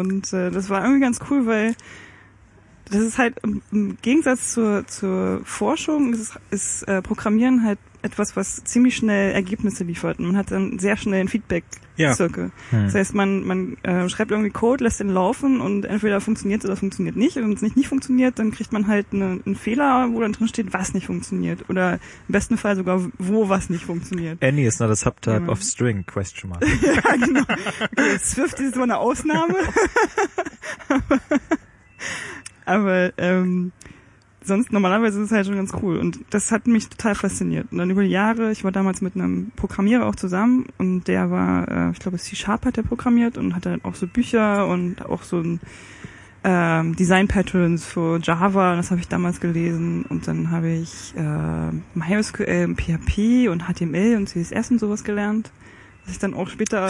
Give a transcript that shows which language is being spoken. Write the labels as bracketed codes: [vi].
[de] Und das war irgendwie ganz cool, weil das ist halt im Gegensatz zur Forschung ist Programmieren halt etwas, was ziemlich schnell Ergebnisse liefert. Man hat dann sehr schnell einen Feedback-Zirkel. Ja. Das heißt, man schreibt irgendwie Code, lässt den laufen und entweder funktioniert oder funktioniert nicht. Und wenn es nicht funktioniert, dann kriegt man halt einen Fehler, wo dann drin steht, was nicht funktioniert. Oder im besten Fall sogar, wo was nicht funktioniert. [en] Any is not a subtype of string, question mark. [de] Ja, genau. Okay, Swift ist immer eine Ausnahme. Aber sonst normalerweise ist es halt schon ganz cool und das hat mich total fasziniert. Und dann über die Jahre, ich war damals mit einem Programmierer auch zusammen und der war, ich glaube C-Sharp hat der programmiert und hatte dann auch so Bücher und auch so ein Design-Patterns für Java und das habe ich damals gelesen und dann habe ich MySQL und PHP und HTML und CSS und sowas gelernt, was ich dann auch später...